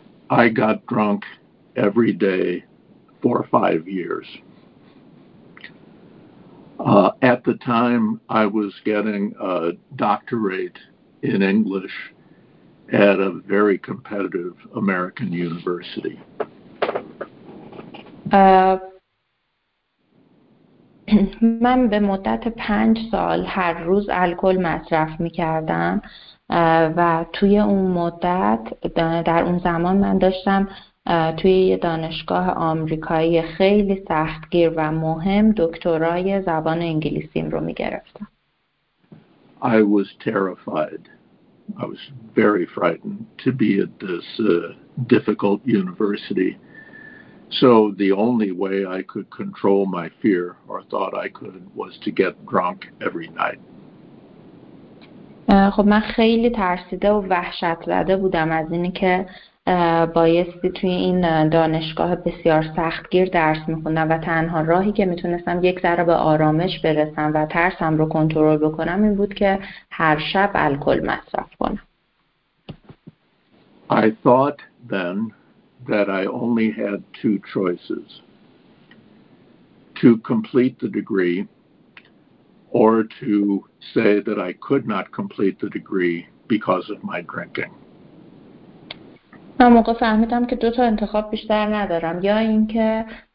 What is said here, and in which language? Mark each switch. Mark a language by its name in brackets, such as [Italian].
[English] I got drunk every day for 5 years. At the time, I was getting a doctorate in English at a very competitive American university. [Persian] من به مدت 5 سال هر روز الکل مصرف می‌کردم و توی اون مدت در اون زمان من داشتم توی یه دانشگاه آمریکایی خیلی سختگیر و مهم دکترای زبان انگلیسیم رو می‌گرفتم. [English] I was terrified. I was very frightened to be at this difficult university. So the only way I could control my fear or thought I could was to get drunk every night. [Persian] خب من خیلی ترسیده و وحشت زده بودم از اینکه بایستی توی این دانشگاه بسیار سختگیر درس می‌خوندم و تنها راهی که میتونستم یک ذره به آرامش برسم و ترسم رو کنترل بکنم این بود که هر شب الکل مصرف کنم. [English] I thought then that I only had two choices: to complete the degree or to say that I could not complete the degree because of my drinking. [Persian] من موقع فهمیدم که دو تا انتخاب بیشتر ندارم، یا اینکه